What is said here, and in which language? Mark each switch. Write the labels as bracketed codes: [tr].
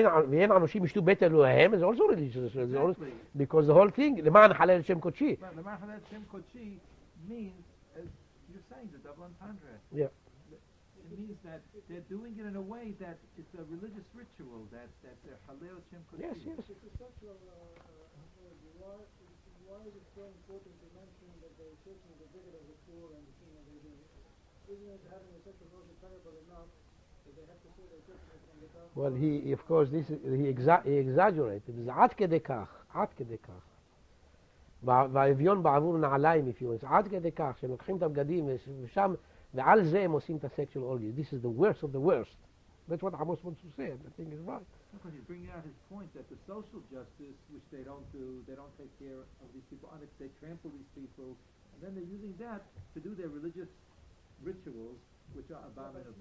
[he] ואין אנושים ישתו בית אלוהים, [en] it's also religious. Exactly. It's also, because the whole thing, [he] למען חלל את שם קודשי. למען חלל את שם קודשי, [en] means, as you're saying, the double entendre. Yeah. It means that they're doing it in a way that it's a religious ritual, that they're Halel Shem Kodshi. Yes, yes. It's a sexual orgy. Why is it so important to mention that they're taking the bigot of the poor and the king of the Jews? Isn't it having a sexual orgy terrible enough that they have to say they're taking it from the Well, he, of course, this is, he exaggerated. [he] It's Ad Kedekach, Ad Kedekach. והאביון בעבור נעליים, [en] if you want, [he] עד כדי כך, שהם לוקחים את הבגדים ושם, ועל זה הם עושים את ה-sexual orgy. [en] This is the worst of the worst. That's what Amos wants to say, I think it's right. Because he's bringing out his point that the social justice, which they don't do, they don't take care of these people, they trample these people, and then they're using that to do their religious rituals, which are abominable.